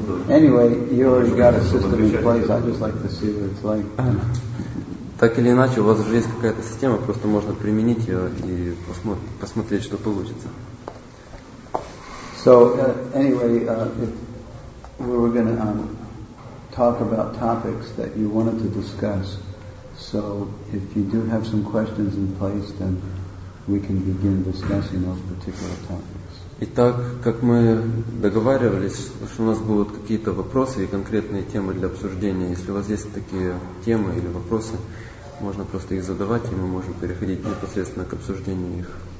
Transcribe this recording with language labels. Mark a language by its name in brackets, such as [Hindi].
[English] Anyway, you already got a system in place. I just like to see what it's like. [Russian] Так или иначе, у вас уже есть какая-то система, просто можно применить ее и посмотреть, что получится. [English] So, anyway, we were going to talk about topics that you wanted to discuss. So, if you do have some questions in place, then we can begin discussing those particular topics. [Russian] Итак, как мы договаривались, что у нас будут какие-то вопросы и конкретные темы для обсуждения. Если у вас есть такие темы или вопросы, можно просто их задавать, и мы можем переходить непосредственно к обсуждению их.